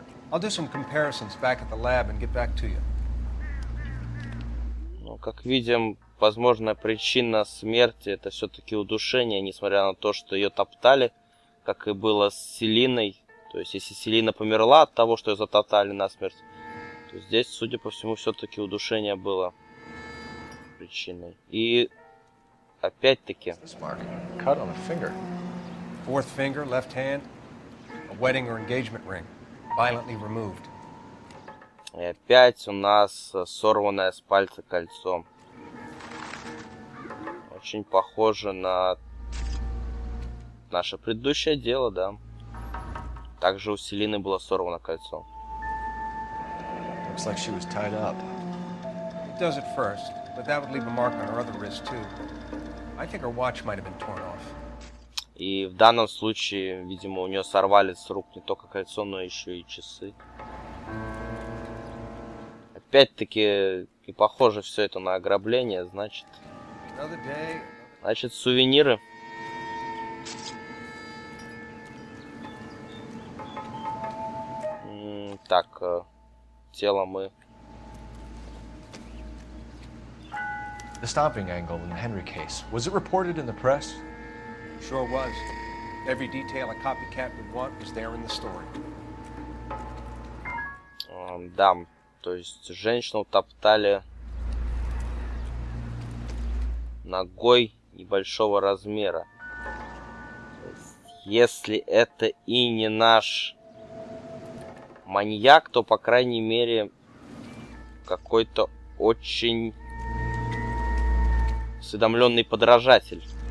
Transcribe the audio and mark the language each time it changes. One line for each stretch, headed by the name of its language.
English: I'll do some comparisons back at the lab and get back to you.
Russian: Ну, как видим, возможная причина смерти — это все-таки удушение, несмотря на то, что ее топтали, как и было с Селиной. То есть, если Селина померла от того, что ее затоптали насмерть, то здесь, судя по всему, все-таки удушение было причиной. И опять-таки...
English: Cut on a finger. Fourth finger, left hand. A wedding or engagement ring. Violently removed.
Russian: И опять у нас сорванное с пальца кольцо. Очень похоже на наше предыдущее дело, да. Также у Селины было сорвано кольцо.
English: Looks like she was tied up. It does it first, but that would leave a mark on her other wrist too. I think her watch might have been torn off.
Russian: И в данном случае, видимо, у нее сорвали с рук не только кольцо, но еще и часы. Опять-таки, и похоже все это на ограбление, значит.
English: Another day.
Russian: Значит, сувениры. Так, тело мы.
English: The stomping angle in the Henry case. Was it reported in the press? Sure was. Every detail a copycat would want was there in the story.
Russian: Да, то есть женщину топтали ногой небольшого размера. Если это и не наш маньяк, то, по крайней мере, какой-то очень осведомленный подражатель.